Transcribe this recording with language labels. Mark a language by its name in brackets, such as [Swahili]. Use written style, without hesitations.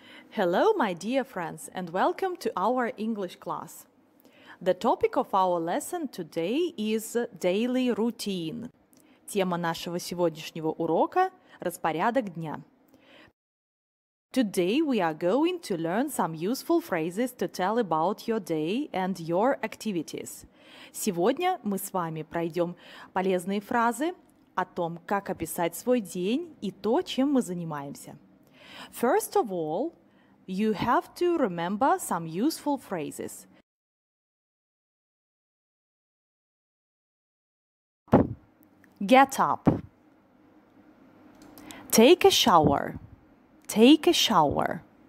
[English] Hello, my dear friends, and welcome to our English class. The topic of our lesson today is daily routine. [Russian] Тема нашего сегодняшнего урока – распорядок дня. [English] Today we are going to learn some useful phrases to tell about your day and your activities. [Russian] Сегодня мы с вами пройдем полезные фразы о том, как описать свой день и то, чем мы занимаемся. [English] First of all, you have to remember some useful phrases. Get up. Take a shower. Take a shower.